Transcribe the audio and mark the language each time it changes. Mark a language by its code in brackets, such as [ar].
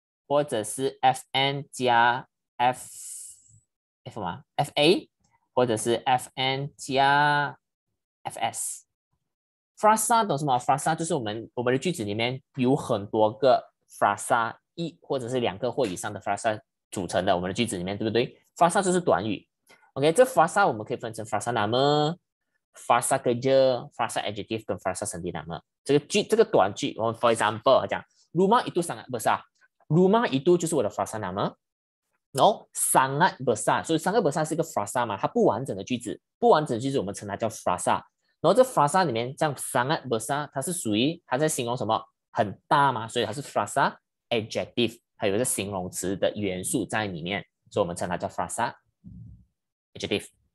[zh] 或者是 Fn 加 F 什么 FA，或者是 Fn 加 FS。 frasa 懂什么？frasa 就是我们的句子里面有很多个 frasa 一或者是两个或以上的 frasa 组成的，我们的句子里面对不对？frasa 就是短语。 OK，这 frasa 我们可以分成 frasa nama、frasa kerja、frasa adjective 跟 frasa sendirinama。这个短句，我们 [en] for example [zh] 讲， [ms] rumah itu sangat besar。 [zh] Rumah itu 就是我的 frasa nama，然后 [ms] sangat besar， [zh] 所以 sangat besar 是一个 frasa 嘛，它不完整的句子，不完整的句子我们称它叫 frasa。然后这 frasa 里面，像 sangat besar，它是属于它在形容什么？很大嘛，所以它是 frasa adjective，它有一个形容词的元素在里面，所以我们称它叫 frasa adjective。